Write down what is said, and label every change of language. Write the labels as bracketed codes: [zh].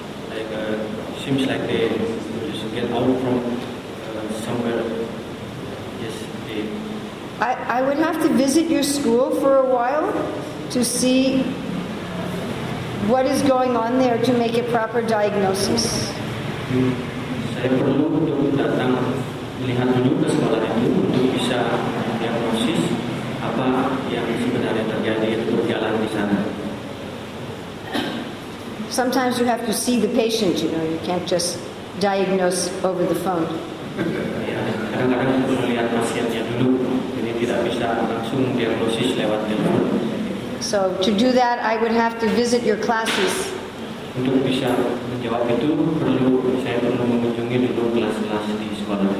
[en] Like seems like they just get out from somewhere. Yes, they. I would have to visit your school for a while to see what is going on there to make a proper diagnosis. [id] Saya perlu untuk datang melihat dulu ke sekolah itu untuk bisa diagnosis apa yang sebenarnya terjadi itu berjalan di sana. [en] Sometimes you have to see the patient, you know, you can't just diagnose over the phone. [id] Kadang-kadang perlu melihat pasiennya dulu, jadi tidak bisa langsung diagnosis lewat telepon. [en] So to do that, I would have to visit your classes. [id] Untuk bisa menjawab itu, saya perlu mengunjungi dulu kelas-kelas di sekolah.